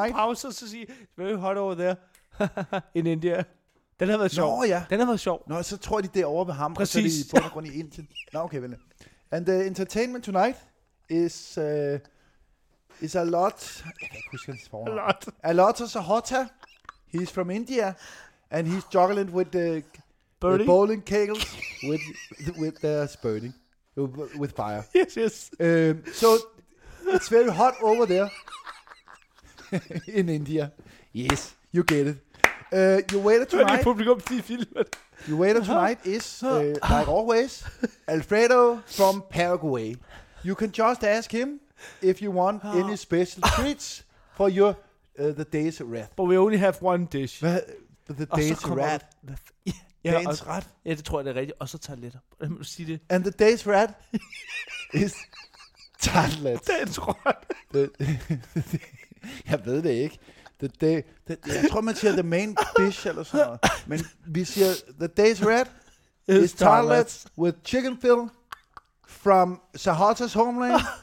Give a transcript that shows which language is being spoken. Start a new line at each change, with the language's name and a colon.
Danish: Hold en pause, så sige,
English: very hot over there. In India.
Danish: Den har været sjov. Nå, ja. Den har været sjov. Nå, så tror de det over ved ham. Præcis. Og så er de på grund i Indien. Nå, okay, vel.
English: And the entertainment tonight is a lot.
Danish: Jeg kan ikke huske hans fornavn.
English: A lot of Sahota. He's from India. And he's juggling with the bowling kegels with the burning. With fire. Yes. So... It's very hot over there in India. Yes, you get it. Your waiter tonight.
Danish: Publikum til filmen.
English: Your waiter tonight is like always Alfredo from Paraguay. You can just ask him if you want any special treats for your the day's rat. But we only have one dish. The day's rat.
Danish: Dagens rat. Ja, det tror jeg det er rigtigt. Og så tager lidt. Hvordan må du sige det?
English: And the day's rat is tartlets.
Danish: Dagens ret. Jeg ved det ikke. Jeg tror, man siger
English: the main dish
Danish: eller sådan noget. Men vi siger,
English: the day's red is tartlets with chicken fill from Sahota's homeland.